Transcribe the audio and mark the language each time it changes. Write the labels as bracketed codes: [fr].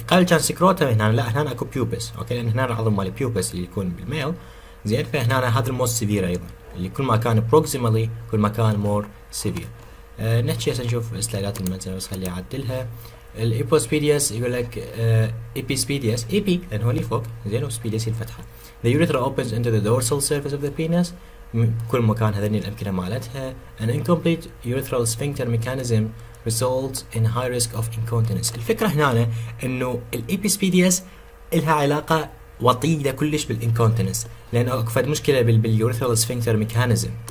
[ar] قال كان سكروتم هنا، لا هنا اكو بيوبس، اوكي، لان هنا العظم مال بيوبس اللي يكون بالميل. زين، فهنا هذا الموست سيفير ايضا، اللي كل ما كان بروكسيمالي كل ما كان مور سيفير. نحكي هسه نشوف سلايدات المنزل بس خليني اعدلها. الايبوسبيدياس يقول لك ايبيسبيدياس، ايبي لان هو اللي فوق، زين، وسبيدياس الفتحه. [en] The urethra opens into the dorsal surface of the penis. [ar] كل مكان هذني الأمكنة مالتها. [en] An incomplete urethral sphincter mechanism results in high risk of incontinence. [ar] الفكرة هنا أنا إنه الإبيسبيدياس لها علاقة وطيدة كلش بالإنكونتينس، لأنه أكفد مشكلة بال urethral sphincter mechanism.